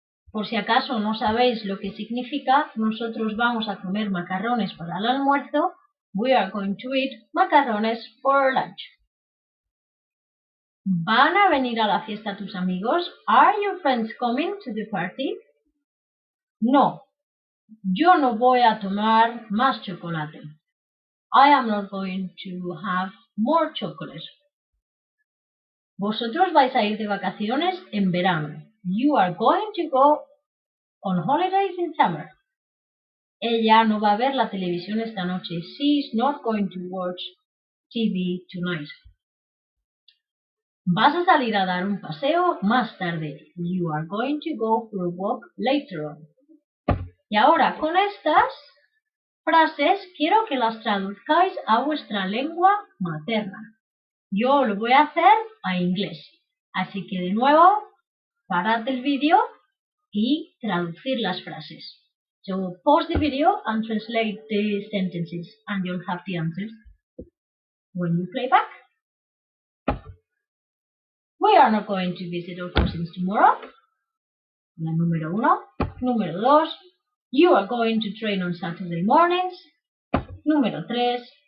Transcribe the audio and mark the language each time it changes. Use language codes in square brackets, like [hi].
[es] Por si acaso no sabéis lo que significa, nosotros vamos a comer macarrones para el almuerzo. [en] We are going to eat macarrones for lunch. [es] ¿Van a venir a la fiesta tus amigos? [en] Are your friends coming to the party? [es] No, yo no voy a tomar más chocolate. [en] I am not going to have more chocolate. [es] ¿Vosotros vais a ir de vacaciones en verano? [en] You are going to go on holidays in summer. [es] Ella no va a ver la televisión esta noche. [en] She is not going to watch TV tonight. [es] ¿Vas a salir a dar un paseo más tarde? [en] You are going to go for a walk later on. [es] Y ahora, con estas frases, quiero que las traduzcáis a vuestra lengua materna. Yo lo voy a hacer a inglés. Así que, de nuevo, parad el vídeo y traducir las frases. [en] So, pause the video and translate the sentences and you'll have the answers when you play back. We are not going to visit our cousins tomorrow. [es] La número uno. Número dos. [en] You are going to train on Saturday mornings. [es] Número tres.